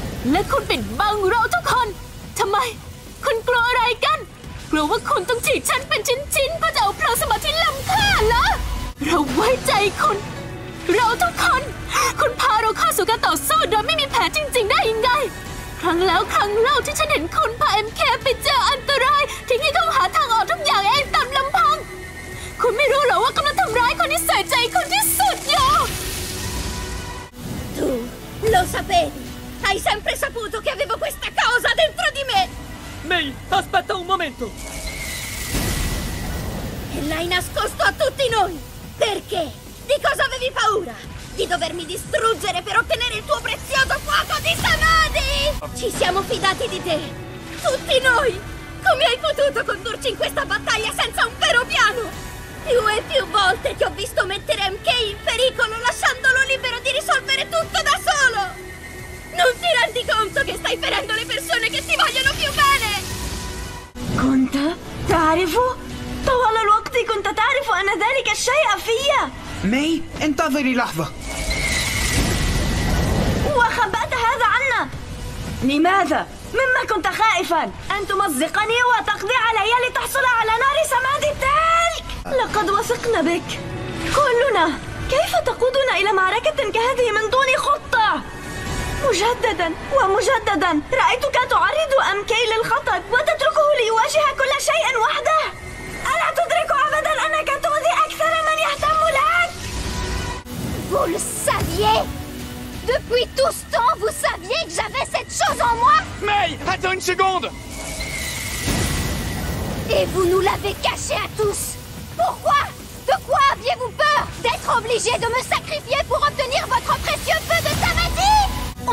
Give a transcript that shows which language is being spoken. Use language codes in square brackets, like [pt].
[th] และคุณปิดบังเราทุกคน ทำไมคุณกลัวอะไรกัน กลัวว่าคุณต้องฉีดฉันเป็นชิ้นๆเพื่อจะเอาเพลิงสมาธิล้ำค่าเหรอ เราไว้ใจคุณ เราทุกคนคุณพาเราเข้าสู่การต่อสู้โดยไม่มีแผลจริงๆได้ยังไง ครั้งแล้วครั้งเล่าที่ฉันเห็นคุณพาเอ็มเคไปเจออันตรายทิ้งให้เขาหาทางออกทุกอย่างเองตามลำพัง คุณไม่รู้เหรอว่ากำลังทำร้ายคนที่ใส่ใจคุณที่สุดอยู่ [it] Tu lo sapevi? Hai sempre saputo che avevo questa cosa dentro di me! Mei, aspetta un momento! E l'hai nascosto a tutti noi! Perché? Di cosa avevi paura? Di dovermi distruggere per ottenere il tuo prezioso fuoco di Samadhi! Ci siamo fidati di te! Tutti noi! Come hai potuto condurci in questa battaglia senza un vero piano? Più e più volte ti ho visto mettere MK in pericolo lasciandolo libero di risolvere tutto da solo! Non ti rendi conto che stai ferendo le persone che ti vogliono più bene! Conta? Tarifu? Tohono luok di Conta Tarifu anadeli che sei a figlia! [ar] مي انتظري لحظة وخبأت هذا عنا لماذا؟ مما كنت خائفا؟ أن تمزقني وتقضي علي لتحصل على نار سمادي تلك لقد وثقنا بك كلنا كيف تقودنا إلى معركة كهذه من دون خطة؟ مجددا ومجددا رأيتك تعرض أمكي للخطر وتتركه ليواجه كل شيء وحده ألا تدرك أبدا أنك تؤذي أكثر من يهتم لك؟ [fr] Vous le saviez? Depuis tout ce temps, vous saviez que j'avais cette chose en moi? Mei, attends une seconde! Et vous nous l'avez caché à tous! Pourquoi? De quoi aviez-vous peur? D'être obligé de me sacrifier pour obtenir votre précieux feu de Samadhi?